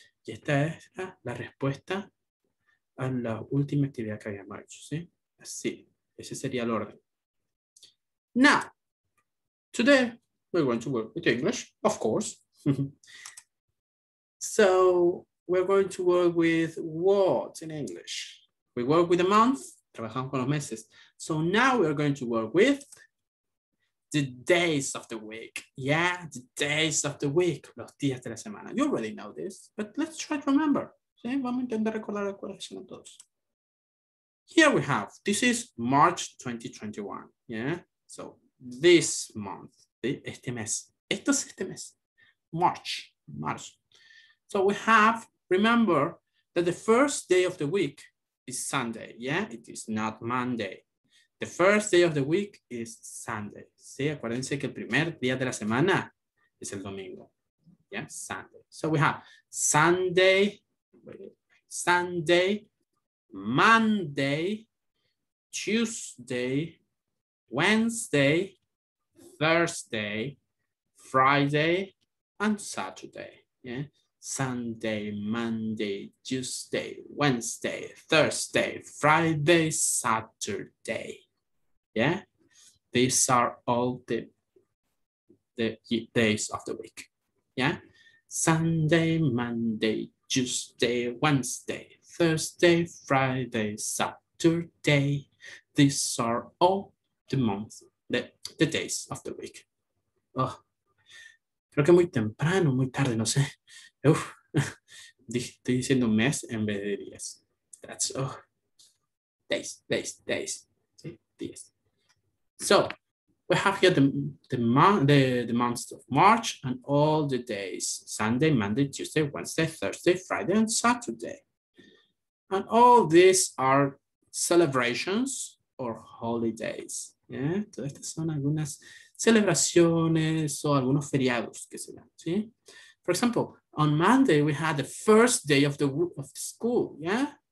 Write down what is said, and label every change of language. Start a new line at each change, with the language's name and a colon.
Spanish: Y esta es la respuesta a la última actividad que habíamos hecho. ¿Sí? Así. Ese sería el orden.
English: Now, today we're going to work with English, of course. So, we're going to work with what in English? We work with the month.
Spanish: Trabajamos con los meses.
English: So now we are going to work with the days of the week. Yeah, the days of the week.
Spanish: Los días de la semana.
English: You already know this, but let's try to remember.
Spanish: ¿Sí? Vamos a intentar recordar cuáles son todos.
English: Here we have, this is March 2021. Yeah, so this month.
Spanish: ¿Sí? Este mes. Esto es este mes. March. March.
English: So we have, remember that the first day of the week is Sunday. Yeah, it is not Monday. The first day of the week is Sunday.
Spanish: Sí, acuérdense que el primer día de la semana es el domingo.
English: Yeah, Sunday. So we have Sunday, Sunday, Monday, Tuesday, Wednesday, Thursday, Friday, and Saturday. Yeah, Sunday, Monday, Tuesday, Wednesday, Thursday, Friday, Saturday. Yeah, these are all the days of the week. Yeah, Sunday, Monday, Tuesday, Wednesday, Thursday, Friday, Saturday. These are all the months, the days of the week.
Spanish: Oh, creo que muy temprano, muy tarde, no sé. Uf, estoy diciendo mes en vez de días.
English: That's, oh, days,
Spanish: sí, días.
English: So, we have here the months of March and all the days, Sunday, Monday, Tuesday, Wednesday, Thursday, Friday, and Saturday. And all these are celebrations or holidays.
Spanish: Yeah, todas estas son algunas celebraciones o algunos feriados que se dan, ¿sí?
English: For example, on Monday we had the first day of the school, yeah?